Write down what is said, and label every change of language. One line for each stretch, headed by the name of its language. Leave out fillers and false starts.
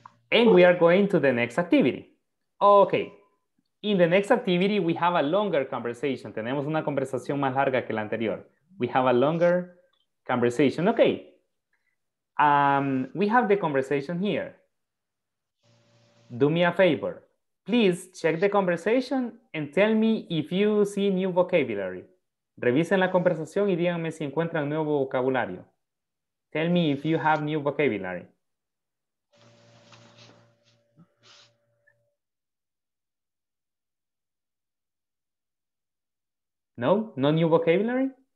English: And we are going to the next activity. Okay. In the next activity, we have a longer conversation.
Spanish: Tenemos una conversación más larga que la anterior.
English: We have a longer conversation. Okay. We have the conversation here. Do me a favor. Please check the conversation and tell me if you see new vocabulary.
Spanish: Revisen la conversación y díganme si encuentran nuevo vocabulario.
English: Tell me if you have new vocabulary. No? No new vocabulary?